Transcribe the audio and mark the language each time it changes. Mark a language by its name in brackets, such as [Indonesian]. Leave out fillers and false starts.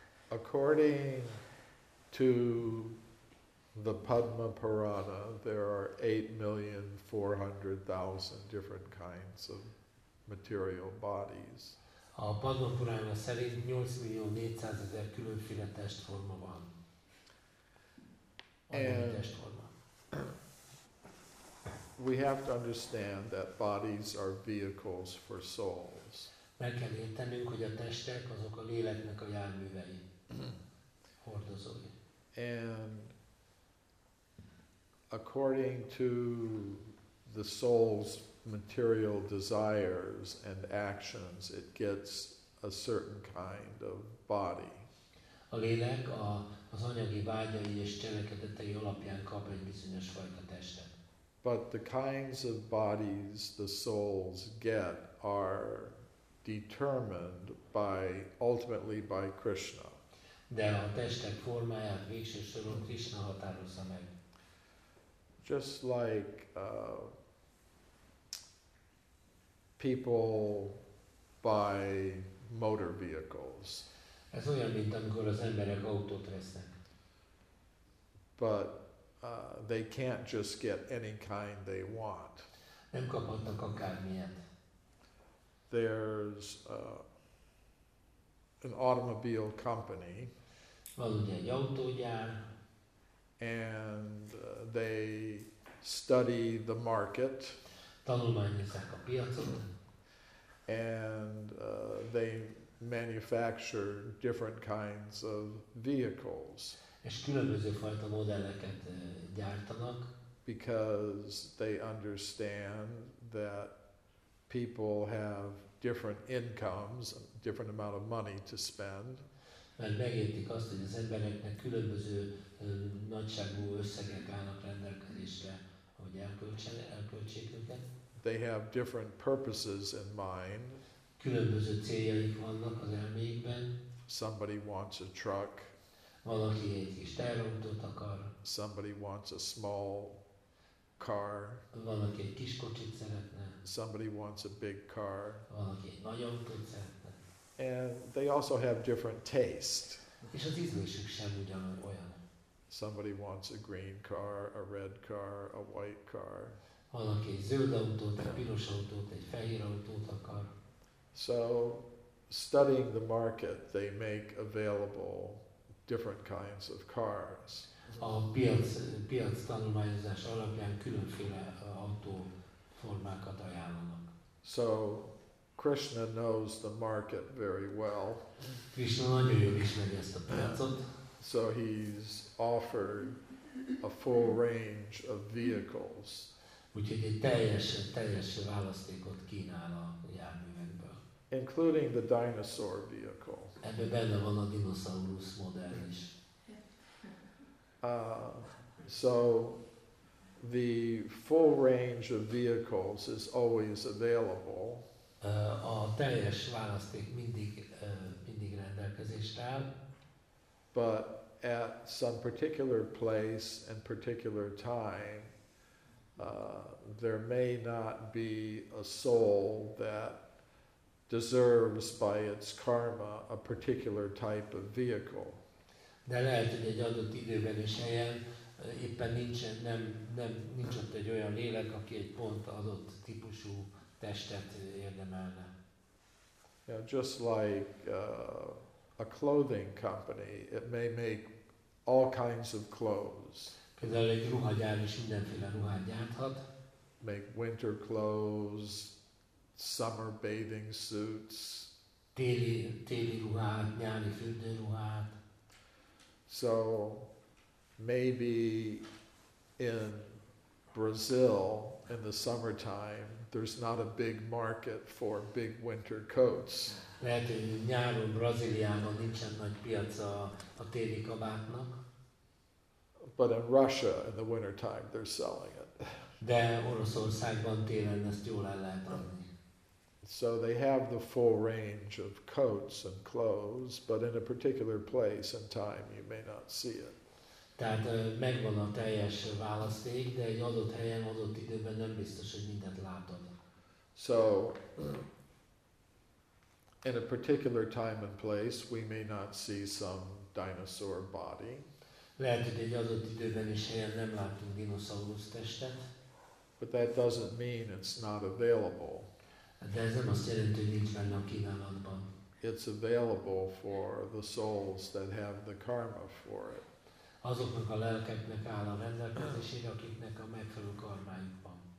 [English] According to the Padma Purana, there are 8,400,000 different kinds of material bodies. [Hungarian] A Padma Purana szerint 8,400,000 különféle testforma van. [English] And [Hungarian] testforma. [English] We have to understand that bodies are vehicles for souls. [Hungarian] Meg kell értenünk, hogy a testek azok a léleknek a járművei, hordozói. [English] And according to the soul's material desires and actions, it gets a certain kind of body. [Hungarian] A lélek az anyagi vágyai és cselekedetei alapján kap egy bizonyos fajta testet. [English] But the kinds of bodies the souls get are determined ultimately by Krishna. [Hungarian] De a testek formáját végső soron Krishna határozza meg. [English] Just like people buy motor vehicles. [Hungarian] Ez olyan, mint amikor az emberek autót vesznek. [English] But they can't just get any kind they want. [Hungarian] Nem kaphatnak akármilyet. [English] There's an automobile company. [Hungarian] Van ugye egy autógyár. [English] And they study the market. [Hungarian] Tanulmányozzák a piacot. [English] And they manufacture different kinds of vehicles. [Hungarian] És különböző fajta modelleket gyártanak. [English] Because they understand that people have different incomes, different amount of money to spend. [Hungarian] Mert megértik azt, hogy az embereknek különböző nagyságú összegek állnak rendelkezésre, hogy elköltsék őket. [English] They have different purposes in mind. [Hungarian] Különböző céljaik vannak az elméjükben. [English] Somebody wants a truck. [Hungarian] Valaki egy kis teherautót akar. [English] Somebody wants a small car. [Hungarian] Valaki egy kis kocsit szeretne. [English] Somebody wants a big car. [Hungarian] Valaki egy nagy autót szeretne. [English] And they also have different taste. [Hungarian] És az ízlésük sem ugyanolyan. [English] Somebody wants a green car, a red car, a white car. [Hungarian] Valaki egy zöld autót, egy piros autót, egy fehér autót akar. [English] So, studying the market, they make available different kinds of cars. [Hungarian] A piac tanulmányozás alapján különféle autóformákat ajánlanak. [English] So, Krishna knows the market very well. [Hungarian] Krishna nagyon jól ismeri ezt a piacot. [English] So he's offered a full range of vehicles. [Hungarian] Úgyhogy egy teljes választékot kínál a járművekből. [English] Including the dinosaur vehicle. [Hungarian] Ebben benne van a dinoszaurusz modell is. [English] So the full range of vehicles is always available. [Hungarian] A teljes választék mindig rendelkezésre áll. [English] But at some particular place and particular time, there may not be a soul that deserves by its karma a particular type of vehicle. [Hungarian] De lehet, hogy egy adott időben és helyen éppen nincs ott egy olyan lélek, aki egy pont adott típusú testet érdemelne. [English] Yeah, just like a clothing company, it may make all kinds of clothes. [Hungarian] Például egy ruhagyár is mindenféle ruhát gyárthat. [English] Make winter clothes, summer bathing suits. [Hungarian] Téli ruhát, nyári fürdőruhát. [English] So maybe in Brazil in the summertime there's not a big market for big winter coats. [Hungarian] Lehet, hogy nyáron Brazíliában nincsen nagy piac a téli kabátnak. [English] But in Russia in the winter time they're selling it. [Hungarian] De Oroszországban télen ezt jól el lehet adni. [English] So they have the full range of coats and clothes, but in a particular place and time you may not see it. [Hungarian] Tehát megvan a teljes választék, de egy adott helyen, adott időben nem biztos, hogy mindent látod. [English] So in a particular time and place we may not see some dinosaur body. [Hungarian] Lehet, hogy egy adott időben és helyen nem látunk dinoszaurusz testet. [English] But that doesn't mean it's not available. [Hungarian] De ez nem azt jelenti, hogy nincs benne a kínálatban. [English] It's available for the souls that have the karma for it. [Hungarian] Azoknak a lelkeknek áll a rendelkezésére, akiknek a megfelelő karmájuk van.